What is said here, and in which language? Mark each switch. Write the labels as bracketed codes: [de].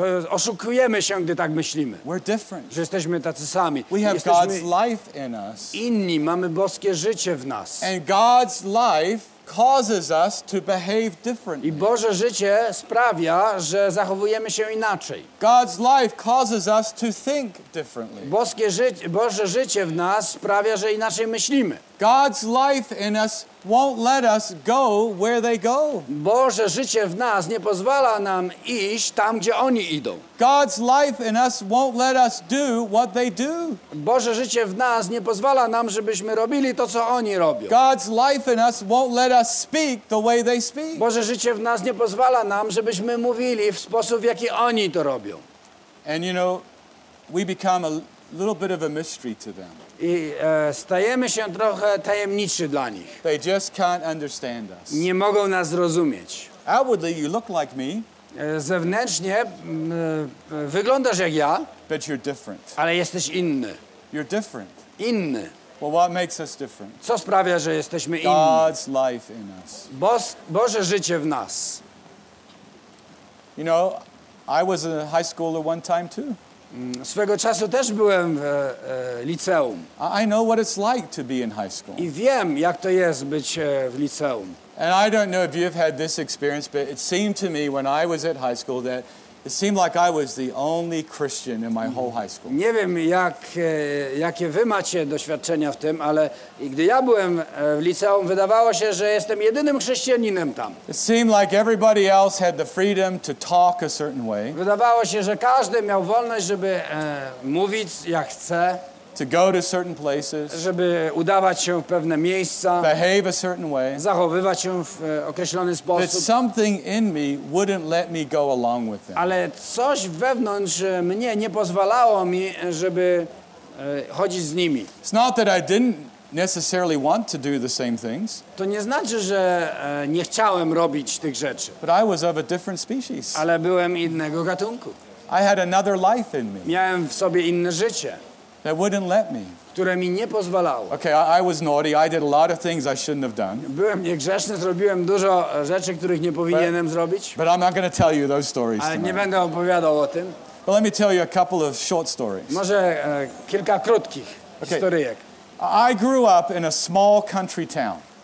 [pl] Oszukujemy się, gdy tak myślimy. [en] We're different. [pl] Że jesteśmy tacy sami. [en] We have God's life in us. [pl] Inni, mamy boskie życie w nas. [en] And God's life causes us to behave differently. [pl] I Boże życie sprawia, że zachowujemy się inaczej. [en] God's life causes us to think differently. [pl] Boże życie w nas sprawia, że inaczej myślimy. [en] God's life in us won't let us go where they go. [pl] Boże życie w nas nie pozwala nam iść tam, gdzie oni idą. [en] God's life in us won't let us do what they do. [pl] Boże życie w nas nie pozwala nam, żebyśmy robili to, co oni robią. [en] God's life in us won't let us speak the way they speak. [pl] Boże życie w nas nie pozwala nam, żebyśmy mówili w sposób, w jaki oni to robią. [en] And you know, we become a little bit of a mystery to them. [pl] I stajemy się trochę tajemniczy dla nich. [en] They just can't understand us. [pl] Nie mogą nas zrozumieć. [en] Outwardly you look like me. [pl] Zewnętrznie wyglądasz jak ja. [en] But you're different. [pl] Ale jesteś inny. [en] You're different. [pl] Inny. [en] Well, what makes us different? [pl] Co sprawia, że jesteśmy inni? [en] God's life in us. [pl] Boże życie w nas. [en] You know, I was a high schooler one time too. [pl] Swego czasu też byłem w liceum. [en] I know what it's like to be in high school. [pl] I wiem, jak to jest być w liceum. [en] And I don't know if you've had this experience, but it seemed to me when I was at high school that it seemed like I was the only Christian in my whole high school. [pl] Nie wiem, jakie wy macie doświadczenia w tym, ale gdy ja byłem w liceum, wydawało się, że jestem jedynym chrześcijaninem tam. [en] It seemed like everybody else had the freedom to talk a certain way. [pl] Wydawało się, że każdy miał wolność, żeby mówić jak chce. [en] To go to certain places. [pl] Żeby udawać się w pewne miejsca. [en] Behave a certain way. [pl] Zachowywać się w określony sposób. [en] But something in me wouldn't let me go along with them. [pl] Ale coś wewnątrz mnie nie pozwalało mi, żeby chodzić z nimi. [en] It's not that I didn't necessarily want to do the same things. [pl] To nie znaczy, że nie chciałem robić tych rzeczy. [en] But I was of a different species. [pl] Ale byłem innego gatunku. [en] I had another life in me. [pl] Miałem w sobie inne życie. [en] That wouldn't let me. [pl] Które mi nie pozwalało. [en] Okay, I was naughty. I did a lot of things I shouldn't have done. [pl] Byłem niegrzeczny, zrobiłem dużo rzeczy, których nie powinienem zrobić. [en] But I'm not going to tell you those stories. [pl] Ale nie będę opowiadał o tym. [en] But let me tell you a couple of short stories. [pl] Może kilka krótkich historyjek. [en] I grew up in a small country town.